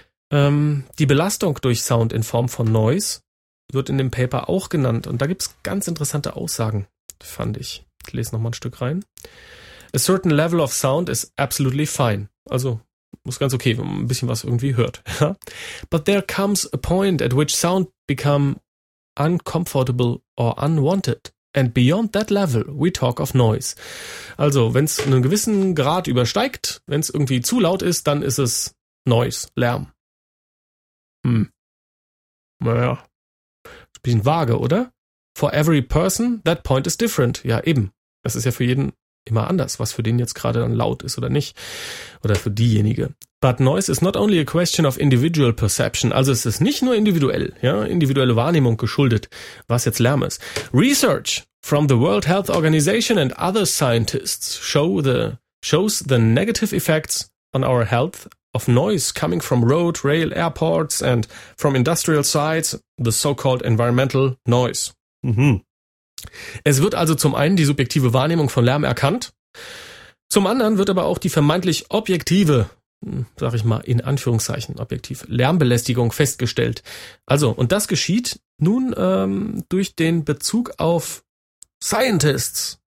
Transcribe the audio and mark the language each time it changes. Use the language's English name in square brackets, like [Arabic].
[German] Die Belastung durch Sound in Form von Noise wird in dem Paper auch genannt. Und da gibt es ganz interessante Aussagen, fand ich. Ich lese nochmal ein Stück rein. [English] A certain level of sound is absolutely fine. [German] Also, muss ganz okay, wenn man ein bisschen was irgendwie hört. [English] But there comes a point at which sound become uncomfortable or unwanted. And beyond that level, we talk of noise. [German] Also, wenn es einen gewissen Grad übersteigt, wenn es irgendwie zu laut ist, dann ist es Noise, Lärm. Naja, ein bisschen vage, oder? [English] For every person, that point is different. [German] Ja, eben. Das ist ja für jeden immer anders, was für den jetzt gerade dann laut ist oder nicht. Oder für diejenige. [English] But noise is not only a question of individual perception. [German] Also es ist nicht nur individuell, ja, individuelle Wahrnehmung geschuldet, was jetzt Lärm ist. [English] Research from the World Health Organization and other scientists shows the negative effects on our health of noise coming from road, rail, airports and from industrial sites, the so-called environmental noise. [German] Es wird also zum einen die subjektive Wahrnehmung von Lärm erkannt, zum anderen wird aber auch die vermeintlich objektive, sag ich mal in Anführungszeichen objektiv, Lärmbelästigung festgestellt. Also, und das geschieht nun durch den Bezug auf Scientists.